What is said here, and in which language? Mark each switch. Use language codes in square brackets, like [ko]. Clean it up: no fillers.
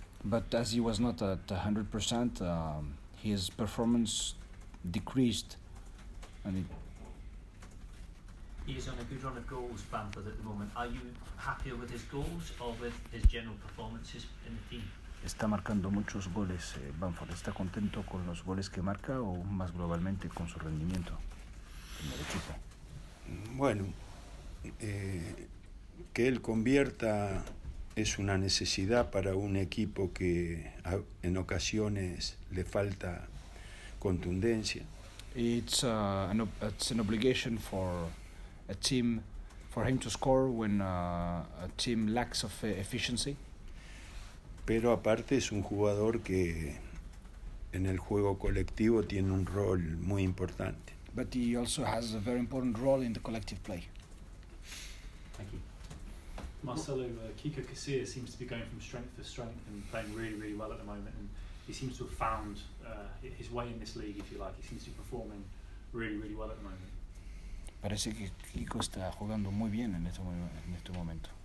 [en] But as he was not at 100%, his performance decreased. And he is on a good run of goals, Bamford, at the moment. Are you happier with his goals or with his general performances in the team? [es] Está marcando muchos goles, Bamford. ¿Está contento con los goles que marca o más globalmente con su rendimiento en el equipo? Bueno, que él convierta es una necesidad para un equipo que en ocasiones le falta contundencia. [en] It's an obligation for a team for him to score when a team lacks of efficiency. [es] Pero aparte es un jugador que en el juego colectivo tiene un rol muy importante. [en] But he also has a very important role in the collective play. Thank you. Marcelo, Kiko Casilla seems to be going from strength to strength and playing really, really well at the moment. And he seems to have found his way in this league, if you like. He seems to be performing really, really well at the moment. [es] Parece que Kiko está jugando muy bien en este momento.